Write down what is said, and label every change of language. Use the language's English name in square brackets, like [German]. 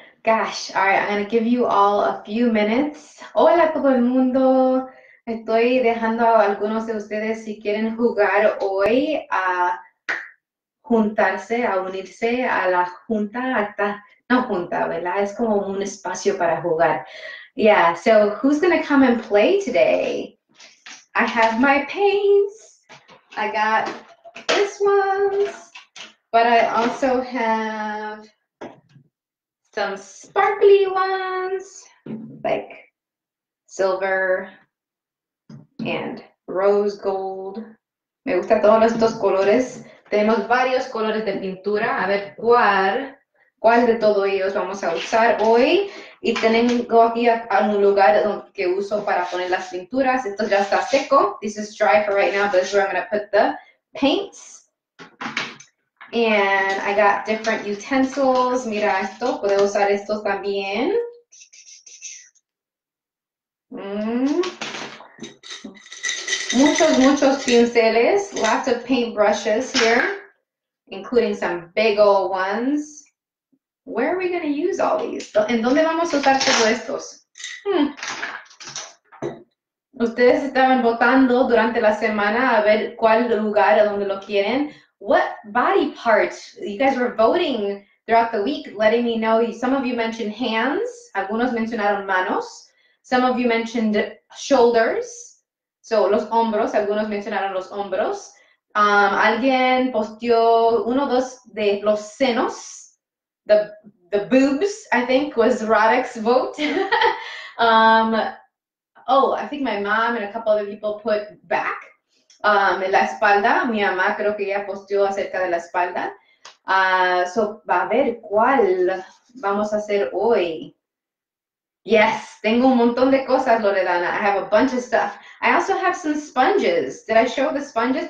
[English] Gosh, all right, I'm going to give you all a few minutes. [Spanish] Hola, todo el mundo. Estoy dejando a algunos de ustedes si quieren jugar hoy a juntarse, a unirse a la junta. No junta, ¿verdad? Es como un espacio para jugar. [English] Yeah, so who's going to come and play today? I have my paints. I got this one. But I also have some sparkly ones, like silver and rose gold. [Spanish] Me gustan todos estos colores. Tenemos varios colores de pintura. A ver cuál de todos ellos vamos a usar hoy. Y tengo aquí algún lugar que uso para poner las pinturas. Esto ya está seco. [English] This is dry for right now, but this is where I'm going to put the paints. And I got different utensils. [Spanish] Mira esto, puedo usar esto también. Muchos pinceles, [English] lots of paint brushes here, including some big old ones. Where are we going to use all these? [Spanish] ¿En dónde vamos a usar todos estos? Ustedes estaban votando durante la semana a ver cuál lugar a donde lo quieren. [English] What body part? You guys were voting throughout the week, letting me know. Some of you mentioned hands. [Spanish] Algunos mencionaron manos. [English] Some of you mentioned shoulders. So, [Spanish] los hombros. Algunos mencionaron los hombros. Alguien posteó uno o dos de los senos. [English] The boobs, I think, was Roddick's vote. I think my mom and a couple other people put back. [Spanish] La espalda, mi mamá creo que ya posteó acerca de la espalda. A ver, ¿cuál vamos a hacer hoy? [English] Yes, [Spanish] tengo un montón de cosas, [English] Loredana. I have a bunch of stuff. I also have some sponges. Did I show the sponges?